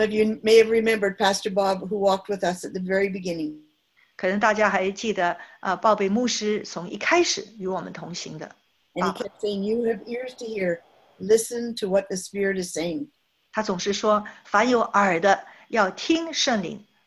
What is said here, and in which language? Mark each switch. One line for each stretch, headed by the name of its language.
English: of you may have remembered Pastor Bob who walked with us at the very beginning.
Chinese: 可能大家还记得, 鲍贝牧师从一开始与我们同行的。
English: And he kept saying, you have ears to hear, listen to what the Spirit is saying.
Chinese: 他总是说, 凡有耳的, 要听圣灵。